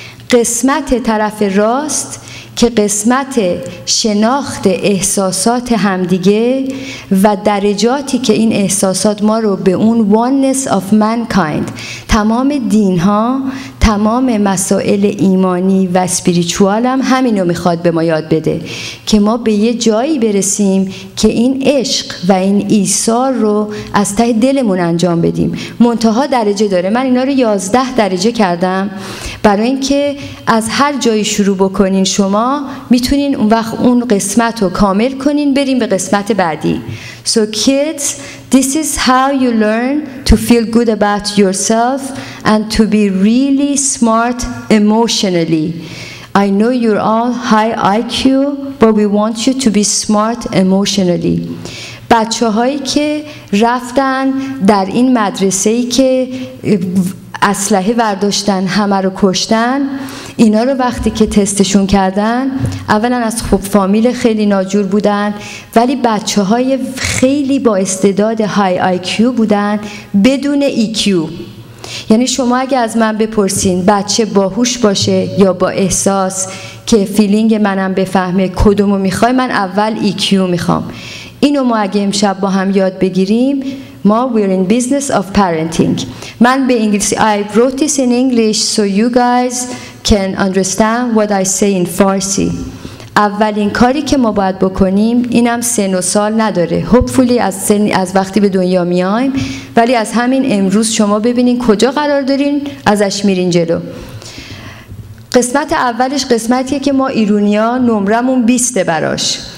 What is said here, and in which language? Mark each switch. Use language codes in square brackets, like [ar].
[fa] قسمت طرف راست که قسمت شناخت احساسات همدیگه و درجاتی که این احساسات ما رو به اون oneness of mankind، تمام دین ها، تمام مسائل ایمانی و اسپریچوال هم همینو میخواد به ما یاد بده که ما به یه جایی برسیم که این عشق و این ایثار رو از ته دلمون انجام بدیم. منتها درجه داره، من اینا رو 11 درجه کردم برای اینکه از هر جایی شروع بکنین شما میتونین اون وقت اون قسمت رو کامل کنین بریم به قسمت بعدی. [en] So kids, this is how you learn to feel good about yourself and to be really smart emotionally. I know you're all high IQ, but we want you to be smart emotionally. [fa] بچه هایی که رفتن در این مدرسه ای که اسلحه برداشتن همه رو کشتن، اینا رو وقتی که تستشون کردن، اولا از خوب فامیل خیلی ناجور بودن، ولی بچه های خیلی با استعداد های IQ بودن بدون EQ. یعنی شما اگه از من بپرسین بچه باهوش باشه یا با احساس که فیلینگ منم بفهمه کدومو میخوای، من اول EQ میخوام. اینو ما اگه امشب با هم یاد بگیریم، ما we're in business of parenting. [en] من به انگلیسی I wrote this in English so you guys can understand what I say in Farsi. [fa] اولین کاری که ما باید بکنیم، اینم سن و سال نداره، hopefully از وقتی به دنیا میایم، ولی از همین امروز شما ببینین کجا قرار دارین ازش میرین جلو. قسمت اولش قسمتیه که ما ایرونیا نمرمون 20ه براش.